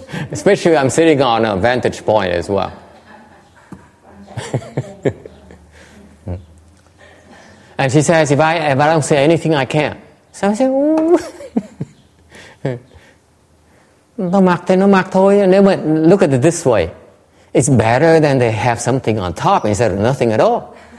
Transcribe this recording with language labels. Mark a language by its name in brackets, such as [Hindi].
[English] Especially I'm sitting on a vantage point as well. And she says, if I don't say anything, I can't. So I say, [Vietnamese] nó mặc thì nó mặc thôi. Nếu mà [English] look at it this way, it's better than they have something on top instead of nothing at all.